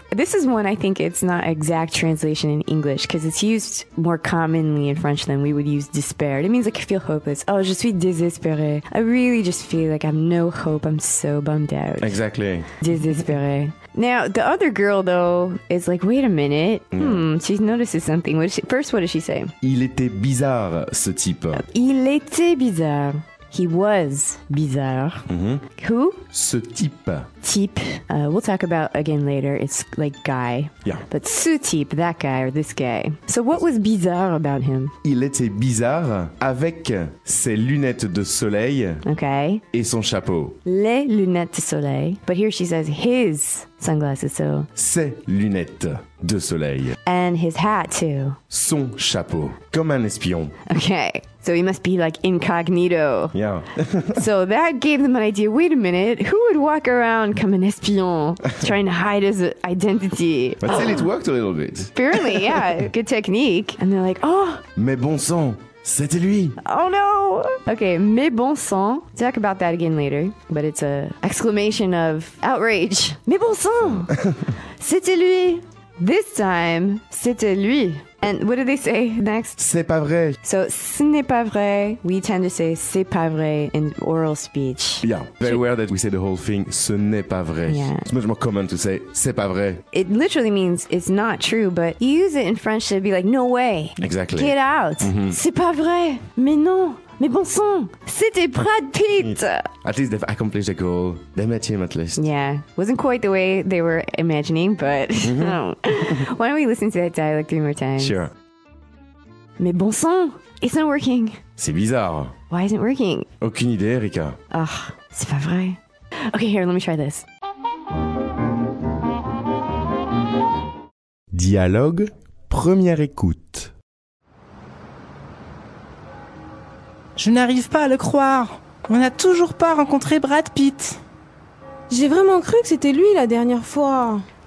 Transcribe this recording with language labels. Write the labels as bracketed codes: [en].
[en] This is one I think it's not exact translation in English because it's used more commonly in French than we would use despaired. It means like I feel hopeless. Oh, [fr] je suis désespéré. [en] I really just feel like I have no hope. I'm so bummed out. Exactly. [fr] Désespéré. [en] Now, the other girl, though, is like, wait a minute. She notices something. What does she say? [fr] Il était bizarre, ce type. Il était bizarre. [en] He was bizarre. Who? [fr] Ce type. Type. [en] We'll talk about again later. It's like guy. Yeah. But [fr] ce type, [en] that guy or this guy. So what was bizarre about him? [fr] Il était bizarre avec ses lunettes de soleil. [en] Okay. [fr] Et son chapeau. Les lunettes de soleil. [en] But here she says his sunglasses, so. [fr] Ses lunettes de soleil. [en] And his hat too. [fr] Son chapeau. Comme un espion. [en] Okay. So he must be like incognito. Yeah. So that gave them an idea. Wait a minute. Who would walk around [fr] comme un espion [en] trying to hide his identity? But still it worked a little bit. Apparently, yeah. Good technique. And they're like, oh. [fr] Mais bon sang. C'était lui. [en] Oh no. Okay, [fr] mais bon sang. [en] Talk about that again later. But it's a exclamation of outrage. [fr] Mais bon sang. C'était lui. [en] This time, [fr] c'était lui. [en] And what do they say next? [fr] C'est pas vrai. So, ce n'est pas vrai. [en] We tend to say [fr] c'est pas vrai [en] in oral speech. Yeah, very aware that we say the whole thing, [fr] ce n'est pas vrai. [en] Yeah. It's much more common to say [fr] c'est pas vrai. [en] It literally means it's not true, but you use it in French to be like, no way. Exactly. Get out. [fr] Mm-hmm. C'est pas vrai. Mais non. Mais bon sang, c'était Brad Pitt! [en] At least they've accomplished a goal. They met him at least. Yeah, wasn't quite the way they were imagining, but why don't we listen to that dialogue three more times? Sure. [fr] Mais bon sang, [en] it's not working. [fr] C'est bizarre. [en] Why isn't it working? [fr] Aucune idée, Erika. Oh, c'est pas vrai. [en] Okay, here, let me try this. [fr] Dialogue, première écoute. Je n'arrive pas à le croire. On n'a toujours pas rencontré Brad Pitt. J'ai vraiment cru que c'était lui la dernière fois.